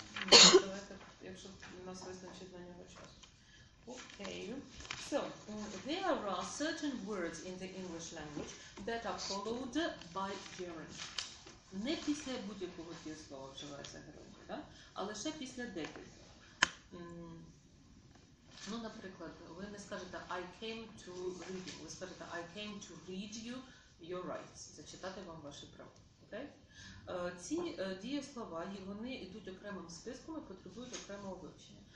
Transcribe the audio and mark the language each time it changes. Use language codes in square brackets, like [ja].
[uk] Давайте, якщо у нас вистачить на нього часу. Окей. [en] So, there are certain words in the English language that are followed by gerund. [uk] Не після будь-якого дієслова вживається гермунд, да? Але ще після декількох. Ну, наприклад, ви не скажете [en] I came to read you. [uk] Ви скажете [en] I came to read you your rights. [uk] Зачитати вам ваші права. Окей? Ці дієслова, вони йдуть окремим списком і потребують окремого вивчення.